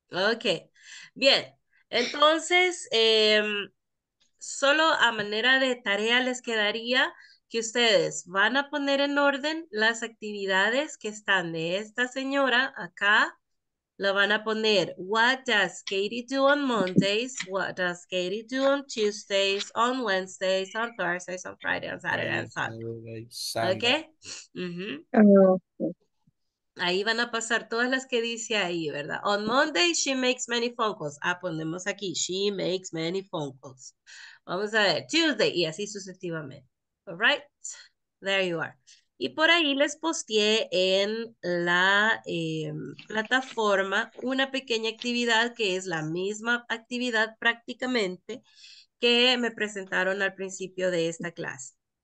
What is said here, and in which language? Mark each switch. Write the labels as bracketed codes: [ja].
[es] Okay, bien, entonces solo a manera de tarea les quedaría que ustedes van a poner en orden las actividades que están de esta señora acá. La van a poner, [en] what does Katie do on Mondays? What does Katie do on Tuesdays, on Wednesdays, on Thursdays, on Friday, on Saturday, and Sunday? Okay? Uh-huh. [es] Ahí van a pasar todas las que dice ahí, ¿verdad? [en] On Monday, she makes many phone calls. [es] Ah, ponemos aquí, [en] she makes many phone calls. [es] Vamos a ver, Tuesday, y así sucesivamente. [en] All right? There you are. [es] Y por ahí les posteé en la plataforma una pequeña actividad que es la misma actividad prácticamente que me presentaron al principio de esta clase.